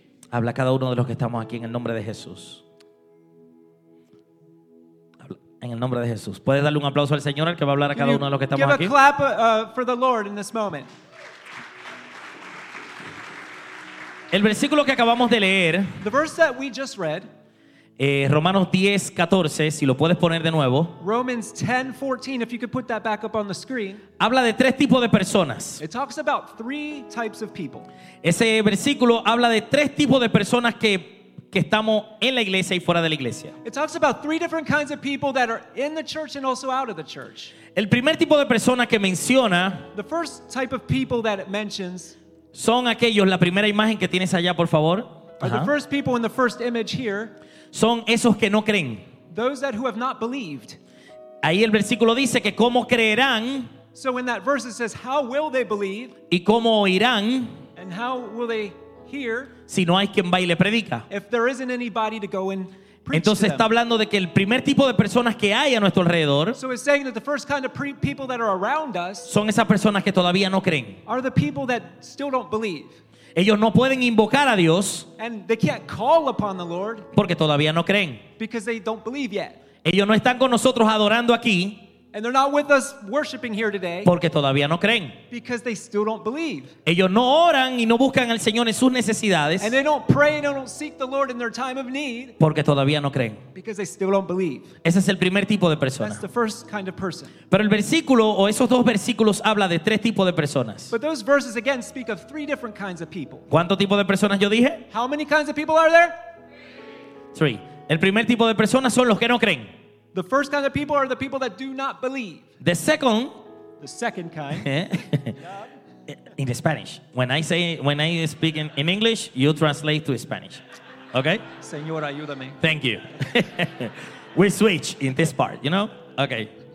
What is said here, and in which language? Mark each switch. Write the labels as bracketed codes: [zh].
[es] Habla cada uno de los que estamos aquí en el nombre de Jesús. En el nombre de Jesús. ¿Puedes darle un aplauso al Señor, al que va a hablar a cada uno de los que estamos aquí? [en] Give a clap for the Lord in this moment. [es] El versículo que acabamos de leer, [en] the verse that we just read, [es] Romanos 10, 14, si lo puedes poner de nuevo, [en] Romans 10, 14, if you could put that back up on the screen, [es] habla de tres tipos de personas. [en] It talks about three types of people. [es] Ese versículo habla de tres tipos de personas que estamos en la iglesia y fuera de la iglesia. [en] It talks about three different kinds of people that are in the church and also out of the church. [es] El primer tipo de persona que menciona, [en] the first type of people that it mentions, [es] son aquellos, la primera imagen que tienes allá, por favor. [en] Are the first people in the first image here. [es] Son esos que no creen. [en] Those that who have not believed. [es] Ahí el versículo dice que cómo creerán. [en] So in that verse it says, how will they believe? [es] Y cómo oirán. [en] And how will they hear? [es] Si no hay quien va y le predica. [en] If there isn't anybody to go and preach. [es] Entonces está [en] to them. [es] Hablando de que el primer tipo de personas que hay a nuestro alrededor. [en] So it's saying that the first kind of people that are around us. [es] Son esas personas que todavía no creen. [en] Are the people that still don't believe. [es] Ellos no pueden invocar a Dios. [en] And they can't call upon the Lord. [es] Porque todavía no creen. [en] Because they don't believe yet. [es] Ellos no están con nosotros adorando aquí. [en] And they're not with us worshiping here today. [es] Porque todavía no creen. [en] Because they still don't believe. [es] Ellos no oran y no buscan al Señor en sus necesidades. [en] And they don't pray and they don't seek the Lord in their time of need. [es] Porque todavía no creen. [en] Because they still don't believe. [es] Ese es el primer tipo de persona. [en] That's the first kind of person. [es] Pero el versículo o esos dos versículos habla de tres tipos de personas. [en] But those verses again speak of three different kinds of people. [es] ¿Cuánto tipo de personas yo dije? [en] How many kinds of people are there? Three. [es] El primer tipo de personas son los que no creen. [en] The first kind of people are the people that do not believe. The second kind. in Spanish. When I speak in English, you translate to Spanish. Okay? [es] Señor, ayúdame. [en] Thank you. We switch in this part, you know? Okay.